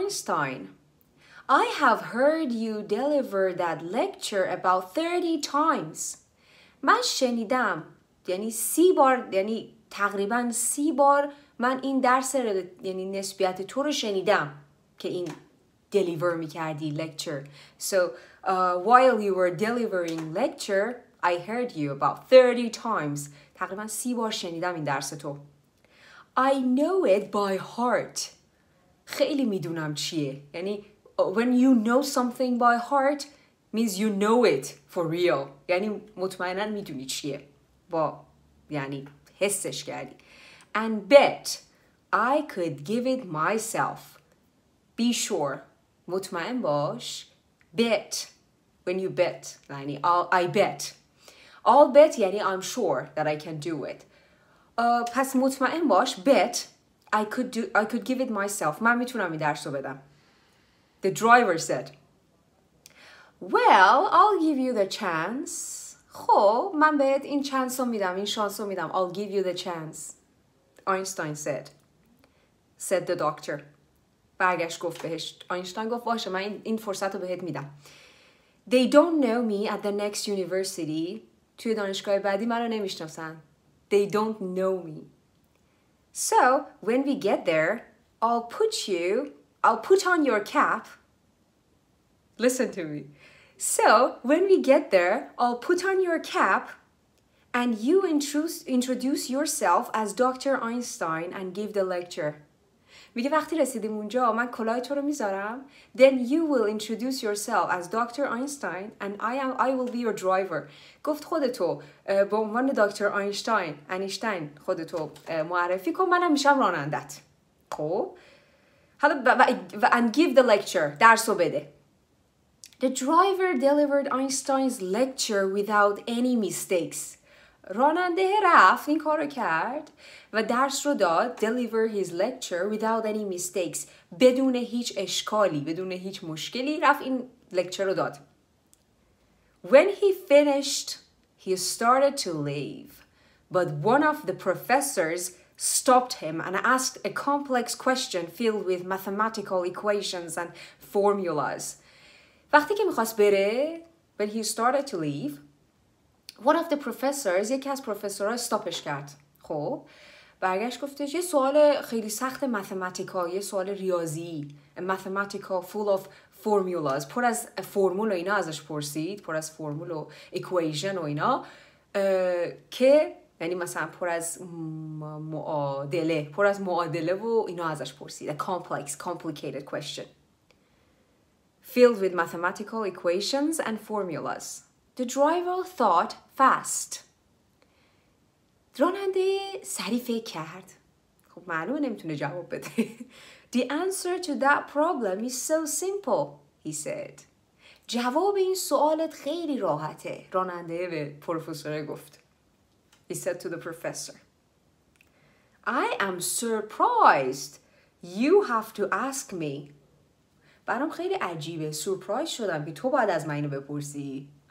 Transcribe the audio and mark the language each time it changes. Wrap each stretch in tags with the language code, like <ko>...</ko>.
<en>Einstein, I have heard you deliver that lecture about 30 times.</en> <fa>من شنیدم, یعنی 30 بار, یعنی تقریبا 30 بار من این درس, یعنی نسبیت تو رو شنیدم, که این deliver می کردی lecture.</fa> <en>So while you were delivering lecture, I heard you about 30 times.</en> <fa>تقریبا 30 بار شنیدم این درس تو.</fa> <en>I know it by heart.</en> <fa>خیلی میدونم چیه.</fa> <en>یعنی when you know something by heart means you know it for real.</en> <fa>یعنی مطمئنا میدونی چیه. با یعنی حسش کردی.</fa> <en>And bet I could give it myself. Be sure.</en> <fa>مطمئن باش.</fa> <en>Bet. When you bet. یعنی I bet. I'll bet یعنی I'm sure that I can do it.</en> <fa>پس مطمئن باش.</fa> <en>Bet. I could give it myself.</en> <fa>من میتونم این درس رو بدم.</fa> <en>The driver said. Well, I'll give you the chance.</en> <fa>خب من بهت این چانس رو میدم. این شانس رو میدم.</fa> <en>I'll give you the chance. Einstein said. Said the doctor.</en> <fa>برگشت گفت بهش. آینشتاین گفت باشه من این فرصت رو بهت میدم.</fa> <en>They don't know me at the next university. توی دانشگاه بعدی من رو نمیشناسن. They don't know me. So when we get there, I'll put on your cap. Listen to me. So when we get there, I'll put on your cap and you introduce yourself as Dr. Einstein and give the lecture.</en> <fa>میگه وقتی رسیدیم اونجا من کلاه تو رو میذارم.</fa> <en>Then you will introduce yourself as Dr. Einstein and I will be your driver.</en> <fa>گفت خودتو به عنوان دکتر اینشتین. انیشتین خودتو معرفی کن منم میشم رانندت. خب.</fa> <en>And give the lecture.</en> <fa>درس رو بده.</fa> <en>The driver delivered Einstein's lecture without any mistakes.</en> <fa>راننده رفت این کارو کرد و درس رو داد.</fa> <en>Deliver his lecture without any mistakes.</en> <fa>بدون هیچ اشکالی, بدون هیچ مشکلی رفت این لکچر رو داد.</fa> <en>When he finished, he started to leave. But one of the professors stopped him and asked a complex question filled with mathematical equations and formulas.</en> <fa>وقتی که میخواست بره,</fa> <en>when he started to leave, one of the professors,</en> <fa>یکی از پروفسورها استاپش کرد. خب برگشت گفتش یه سوال خیلی سخت ماتماتیکا, یه سوال ریاضی, ماتماتیکا</fa> <en>full of formulas,</en> <fa>پر از فرمول و اینا ازش پرسید, پر از فرمول و equation و اینا, که یعنی مثلا پر از معادله, پر از معادله و اینا ازش پرسید.</fa> <en>A complex, complicated question filled with mathematical equations and formulas. The driver thought fast.</en> <fa>راننده سریع فکر کرد. خب معلومه نمیتونه جواب بده.</fa> <en>The answer to that problem is so simple, he said.</en> <fa>جواب این سوالت خیلی راحته. راننده به پروفسور گفت.</fa> <en>He said to the professor. I am surprised you have to ask me.</en> <fa>برام خیلی عجیبه. سورپرایز شدم که تو بعد از من اینو بپرسی.</fa>